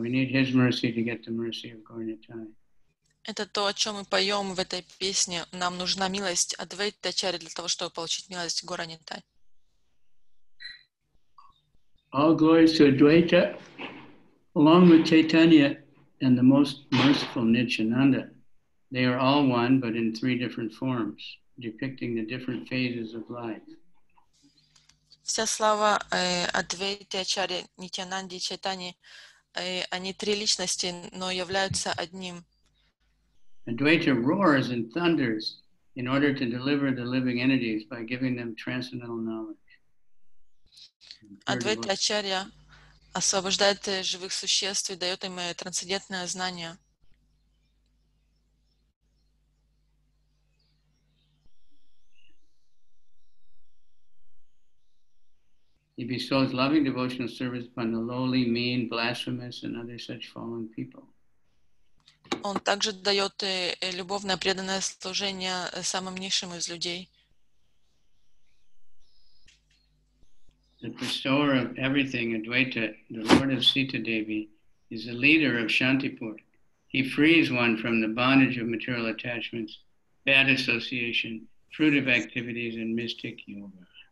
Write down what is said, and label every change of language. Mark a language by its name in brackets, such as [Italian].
[English] We need his mercy to get the mercy of Gaur Nitai. [Russian] Это то, о чем мы поем в этой песне. Нам нужна милость Адвайта Ачарьи для того, чтобы получить милость Гора Нитай. [English] All glories to Advaita, along with Chaitanya and the most merciful Nityananda. They are all one, but in three different forms, depicting the different phases of life. [Russian] Вся слава Адвайте Ачарьи, Нитянанде и Чайтанье, они три личности, но являются одним. [English] Advaita roars and thunders in order to deliver the living entities by giving them transcendental knowledge. [Russian] Advaita Ачарья освобождает живых существ и дает им трансцендентное знание. [English] He bestows loving devotional service upon the lowly, mean, blasphemous, and other such fallen people. [Russian] Он также дает любовное преданное служение самым низшим из людей. [English] The bestower of everything, Advaita, the Lord of Sita Devi, is the leader of Shantipur. He frees one from the bondage of material attachments, bad association, fruitive activities, and mystic yoga.